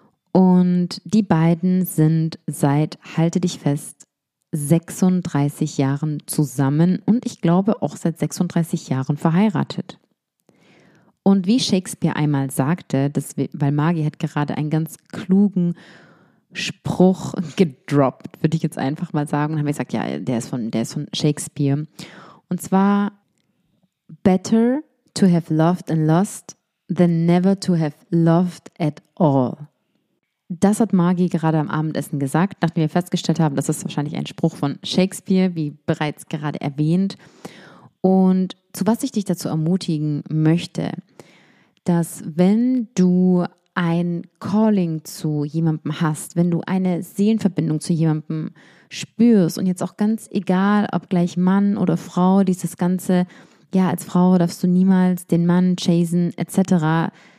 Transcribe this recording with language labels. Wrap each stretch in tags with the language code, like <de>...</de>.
<de>Und die beiden sind seit, halte dich fest, 36 Jahren zusammen und ich glaube auch seit 36 Jahren verheiratet. Und wie Shakespeare einmal sagte, weil Margie hat gerade einen ganz klugen Spruch gedroppt, würde ich jetzt einfach mal sagen, haben wir gesagt, ja, der ist von Shakespeare. Und zwar,</de> <en>better to have loved and lost than never to have loved at all.</en> <de>Das hat Margie gerade am Abendessen gesagt, nachdem wir festgestellt haben, das ist wahrscheinlich ein Spruch von Shakespeare, wie bereits gerade erwähnt. Und zu was ich dich dazu ermutigen möchte, dass wenn du ein Calling zu jemandem hast, wenn du eine Seelenverbindung zu jemandem spürst und jetzt auch ganz egal, ob gleich Mann oder Frau, dieses Ganze, ja, als Frau darfst du niemals den Mann chasen etc.,</de>